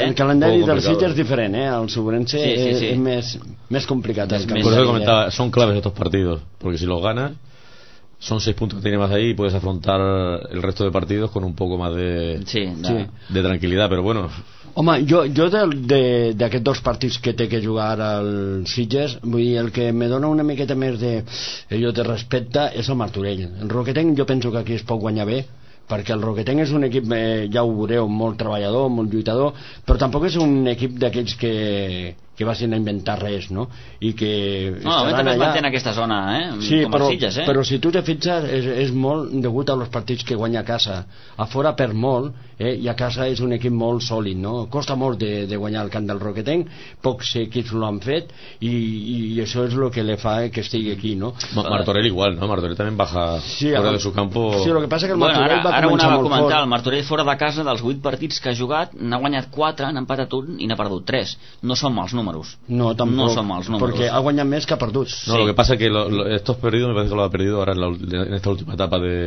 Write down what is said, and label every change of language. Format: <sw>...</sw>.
<ca>El calendari dels Sitges és diferent, El Sobrense és més complicat. Són</ca> <es>claves aquests partits, perquè si los ganas son 6 puntos que tienes más ahí y puedes afrontar el resto de partidos con un poco más de tranquilidad, pero bueno,</es> <ca>Home, jo d'aquests dos partits que té que jugar el Sitges, vull dir, el que me dona una miqueta més de, jo de respecte és el Martorell. El Roqueteng jo penso que aquí es pot guanyar bé, perquè el Roqueteng és un equip, ja ho veureu, molt treballador, molt lluitador, però tampoc és un equip d'aquells que vagin a inventar res, no? I que estaran allà... No, també es manté aquesta zona, sí, com però, a Sitges, eh? Però si tu te fixes, és molt degut als partits que guanya a casa. A fora per molt, i a casa és un equip molt sòlid, no? Costa molt de guanyar el camp del Roqueteng, pocs equips ho han fet, i això és el que le fa que estigui aquí, no? Martorell igual, no? Martorell també baja sí, fora</ca> <es>de su campo...</es> <ca>Sí, el que passa que el Martorell va començar molt fort. Ara ho anava a comentar, el Martorell fora de casa, dels 8 partits que ha jugat, n'ha guanyat 4, n'ha empatat un i n'ha perdut 3. No són mals números. No, tampoc. No són mals números. Perquè ha guanyat més que ha perdut.</ca> <es>No, sí. Lo que</es> <ca>passa</ca> <es>que estos perdidos, me parece que lo ha perdido ahora en esta última etapa de...</es>